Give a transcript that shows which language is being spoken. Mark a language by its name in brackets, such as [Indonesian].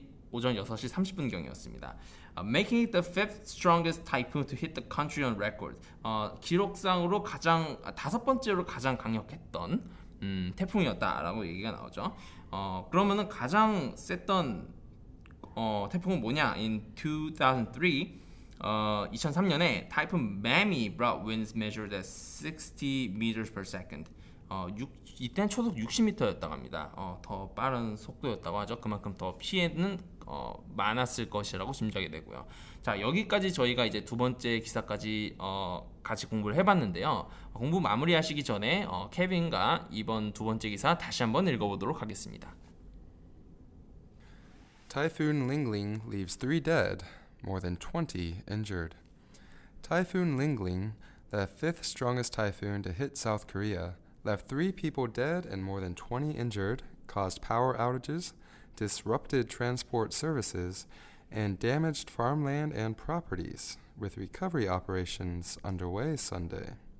[Korean] 오전 6시 30분경이었습니다. [English] Making it the fifth strongest typhoon to hit the country on record. [Korean] 기록상으로 가장 다섯 번째로 가장 강력했던 태풍이었다라고 얘기가 나오죠. 그러면은 가장 셌던 태풍은 뭐냐? [English] In 2003, [Korean] 2003년에 [English] Typhoon Mami brought winds measured at 60 meters per second. [Korean] 이때는 초속 60m였다고 합니다. 더 빠른 속도였다고 하죠. 그만큼 더 피해는 많았을 것이라고 짐작이 되고요. 자, 여기까지 저희가 이제 두 번째 기사까지 같이 공부를 해봤는데요. 공부 마무리하시기 전에 케빈과 이번 두 번째 기사 다시 한번 읽어보도록 하겠습니다. [English] Typhoon Lingling leaves three dead, more than 20 injured. Typhoon Lingling, the fifth strongest typhoon to hit South Korea, left three people dead and more than 20 injured, caused power outages, disrupted transport services, and damaged farmland and properties, with recovery operations underway Sunday.